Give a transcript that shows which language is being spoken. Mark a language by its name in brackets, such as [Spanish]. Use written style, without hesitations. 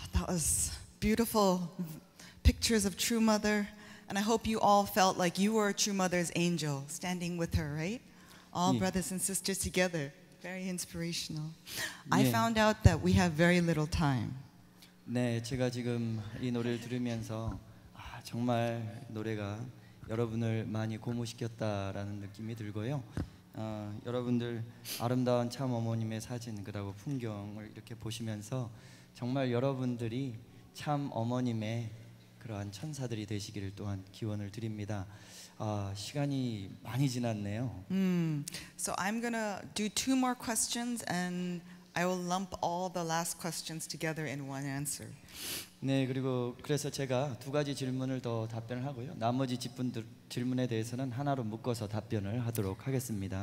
[English] us beautiful pictures of True Mother, and I hope you all felt like you were True Mother's angel standing with her, right? All 예. brothers and sisters together. Very inspirational. 예. I found out that we have very little time. [Korean] 네, 제가 지금 이 노래를 들으면서 아, 정말 노래가 여러분을 많이 고무시켰다라는 느낌이 들고요. 여러분들 아름다운 참 어머님의 사진 그리고 풍경을 이렇게 보시면서 정말 여러분들이 참 어머님의 그러한 천사들이 되시기를 또한 기원을 드립니다. 시간이 많이 지났네요. [English] So I'm gonna do two more questions and I will lump all the last questions together in one answer. [Korean] 네, 그리고 그래서 제가 두 가지 질문을 더 답변을 하고요. 나머지 질문에 대해서는 하나로 묶어서 답변을 하도록 하겠습니다.